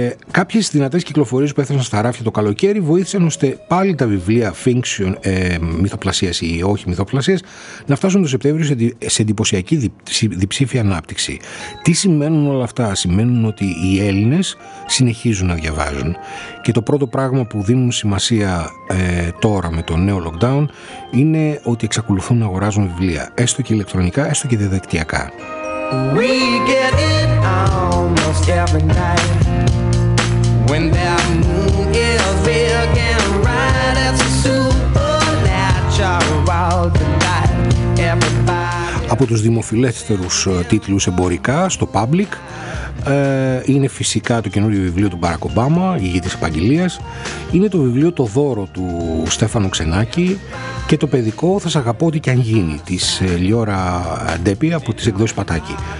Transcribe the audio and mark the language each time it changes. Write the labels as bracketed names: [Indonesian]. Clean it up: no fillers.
[Greek] Κάποιες δυνατές κυκλοφορίες που έφτασαν στα ράφια το καλοκαίρι βοήθησαν ώστε πάλι τα βιβλία fiction, μυθοπλασίας ή όχι μυθοπλασίας, να φτάσουν το Σεπτέμβριο σε εντυπωσιακή διψήφια ανάπτυξη. Τι σημαίνουν όλα αυτά? Σημαίνουν ότι οι Έλληνες συνεχίζουν να διαβάζουν. Και το πρώτο πράγμα που δίνουν σημασία τώρα με το νέο lockdown είναι ότι εξακολουθούν να αγοράζουν βιβλία, έστω και ηλεκτρονικά, έστω και διαδικτυακά. [English] We get it almost every night when that moon is big and bright. It's a supernatural delight. Everybody. [Greek] Από τους δημοφιλέστερους τίτλους εμπορικά στο Public είναι φυσικά το καινούριο βιβλίο του Μπαράκ Ομπάμα, ηγητής επαγγελίας. Είναι το βιβλίο «Το δώρο» του Στέφανο Ξενάκη και το παιδικό «Θα σ' αγαπώ ό,τι κι αν γίνει» της Λιώρα Ντέπη από τις εκδόσεις Πατάκη.